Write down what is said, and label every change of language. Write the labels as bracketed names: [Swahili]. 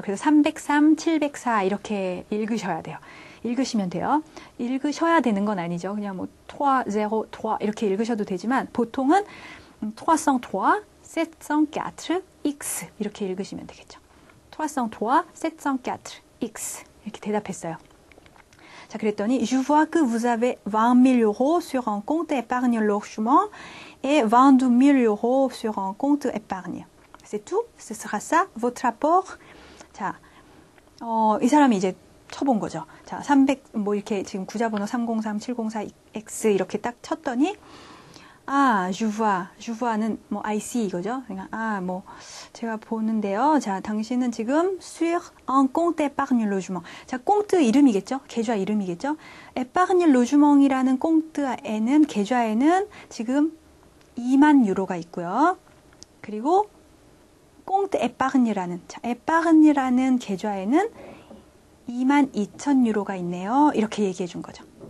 [Korean] 그래서 303, 704 이렇게 읽으셔야 돼요. 읽으시면 돼요. 읽으셔야 되는 건 아니죠. 그냥 뭐 토아, 제호, 토아 이렇게 읽으셔도 되지만 보통은 토아성 토아, 셋성 꺄트르, 익스 이렇게 읽으시면 되겠죠. 3성 토아, 7성 꺄트르, 익스 이렇게 대답했어요. 자, 그랬더니 [French] Je vois que vous avez 20 000 euros sur un compte épargne logement et 22 000 euros sur un compte épargne. C'est tout? Ce sera ça, votre apport? [Korean] 자, 이 사람이 이제 쳐본 거죠. 자, 300, 뭐 이렇게 지금 구좌번호 303, 704X 이렇게 딱 쳤더니 아, [French] je vois. [Korean] Je vois는 뭐 I see 이거죠. 아, 뭐 제가 보는데요. 자, 당신은 지금 [French] sur un compte épargne logement. [Korean] 자, 꽁트 이름이겠죠? 계좌 이름이겠죠? épargne logement이라는 꽁트에는 계좌에는 지금 2만 유로가 있고요. 그리고 compte épargne라는 자, épargne라는 계좌에는 2만 2천 유로가 있네요. 이렇게 얘기해 준 거죠.